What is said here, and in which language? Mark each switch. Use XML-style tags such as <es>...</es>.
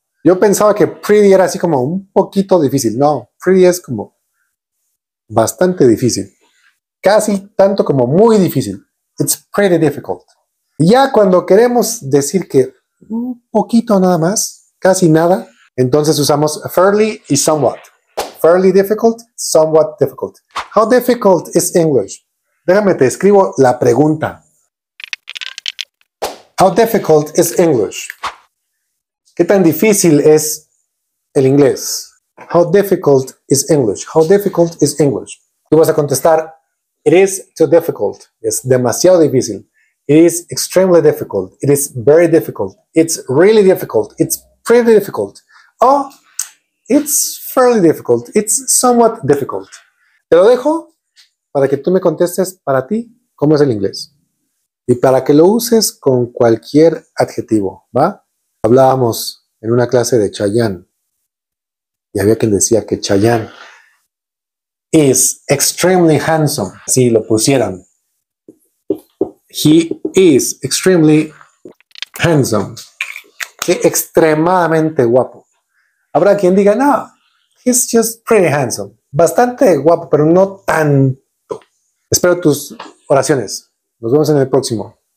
<es>Yo pensaba que pretty era así como un poquito difícil. No, pretty es como bastante difícil. Casi tanto como muy difícil.</es> <en>It's pretty difficult.</en> <es>Y ya cuando queremos decir que un poquito nada más, casi nada, entonces usamos fairly y somewhat.</es> <en>Fairly difficult, somewhat difficult. How difficult is English?</en> <es>Déjame te escribo la pregunta.</es> <en>How difficult is English?</en> <es>¿Qué tan difícil es el inglés?</es> <en>How difficult is English? How difficult is English?</en> <es>Tú vas a contestar,</es> <en>it is too difficult.</en> <es>Es demasiado difícil.</es> <en>It is extremely difficult. It is very difficult. It's really difficult. It's pretty difficult. Oh, it's fairly difficult. It's somewhat difficult.</en> <es>Te lo dejo para que tú me contestes para ti cómo es el inglés y para que lo uses con cualquier adjetivo, ¿va? Hablábamos en una clase de Chayanne y había quien decía que Chayanne</es> <en>is extremely handsome.</en> <es>Así lo pusieran.</es> <en>He is extremely handsome.</en> <es>Sí, extremadamente guapo. Habrá quien diga, no,</es> <en>he's just pretty handsome.</en> <es>Bastante guapo, pero no tanto. Espero tus oraciones. Nos vemos en el próximo.</es>